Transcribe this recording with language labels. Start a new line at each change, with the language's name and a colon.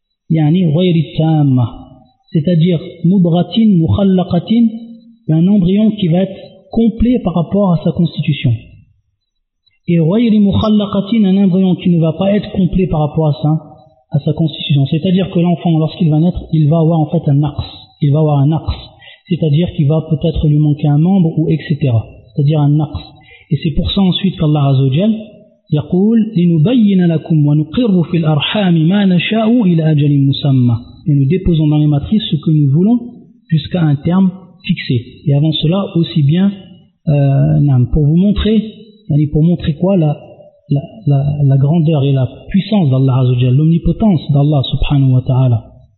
Arabic: يعني غير تامة
French: c'est-à-dire
Arabic: مبغة مخلقة
French: un embryon qui va être complet par rapport à sa constitution. et ghayri mukhallaqatin, un embryon qui ne va pas être complet par rapport à ça, à sa constitution. C'est-à-dire que l'enfant, lorsqu'il va naître, il va avoir en fait un naqs. Il va avoir un naqs. C'est-à-dire qu'il va peut-être lui manquer un membre ou etc. C'est-à-dire un naqs. Et c'est pour ça ensuite qu'Allah Azza wa Jal
Arabic: يقول لنبين لكم ونقر في الأرحام ما نشاء إلى أجل مسمى.
French: Et nous déposons dans les matrices ce que nous voulons jusqu'à un terme fixé. Et avant cela, aussi bien pour vous montrer, pour montrer quoi, la grandeur et la puissance d'Allah Azza wa Jalla, l'omnipotence d'Allah Subhanahu wa Taala.